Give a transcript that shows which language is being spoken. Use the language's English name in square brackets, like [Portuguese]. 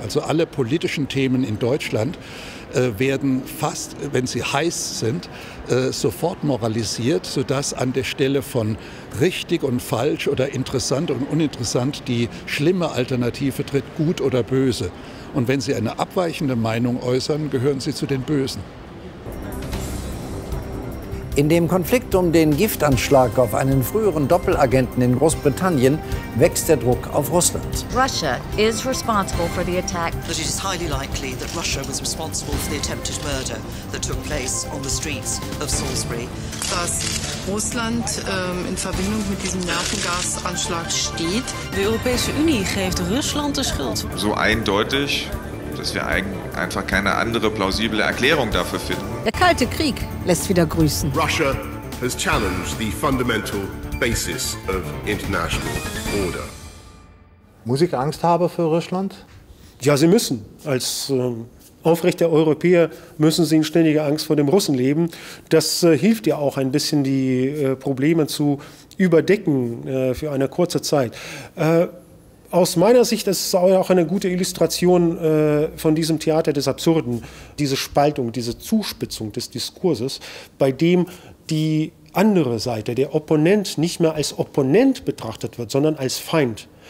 [German] Also alle politischen Themen in Deutschland werden fast, wenn sie heiß sind, sofort moralisiert, sodass an der Stelle von richtig und falsch oder interessant und uninteressant die schlimme Alternative tritt, gut oder böse. Und wenn sie eine abweichende Meinung äußern, gehören sie zu den Bösen. In dem Konflikt um den Giftanschlag auf einen früheren Doppelagenten in Großbritannien wächst der Druck auf Russland. [English] Russia is responsible for the attack. But it is highly likely that Russia was responsible for the attempted murder that took place on the streets of Salisbury. [German] Dass Russland in Verbindung mit diesem Nervengasanschlag steht. [Dutch] Die Europäische Unie geeft Russland de schuld. [German] So eindeutig, dass wir einfach keine andere plausible Erklärung dafür finden. Der Kalte Krieg lässt wieder grüßen. [English] Russia has challenged the fundamental basis of international order. [German] Muss ich Angst haben für Russland? Ja, Sie müssen. Als aufrechter Europäer müssen Sie in ständiger Angst vor dem Russen leben. Das hilft ja auch ein bisschen, die Probleme zu überdecken für eine kurze Zeit. Aus meiner Sicht ist es auch eine gute Illustration von diesem Theater des Absurden, diese Spaltung, diese Zuspitzung des Diskurses, bei dem die andere Seite, der Opponent, nicht mehr als Opponent betrachtet wird, sondern als Feind.